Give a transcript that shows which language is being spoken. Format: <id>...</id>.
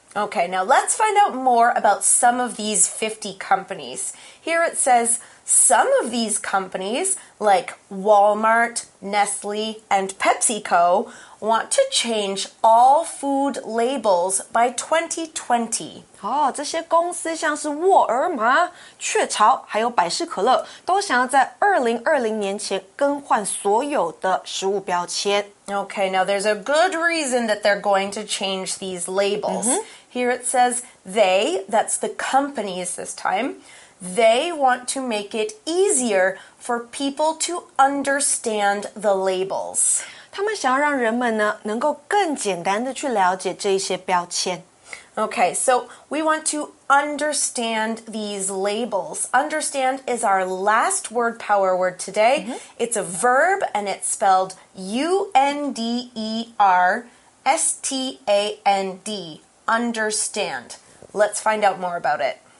<en>Okay, now let's find out more about some of these 50 companies. Here it says, some of these companies, like Walmart, Nestle, and PepsiCo, want to change all food labels by 2020.</en> <zh>哦，这些公司像是沃尔玛、雀巢，还有百事可乐，都想要在2020年前更换所有的食物标签。</zh> <en>Okay, now there's a good reason that they're going to change these labels.、 Mm-hmm. Here it says they, that's the companies this time, they want to make it easier for people to understand the labels.</en> <zh>他们想要让人们呢能够更简单的去了解这些标签。</zh> <en>Okay, so we want to understand these labels. Understand is our last word power word today. Mm-hmm. It's a verb and it's spelled UNDERSTAND. Understand. Let's find out more about it.</en>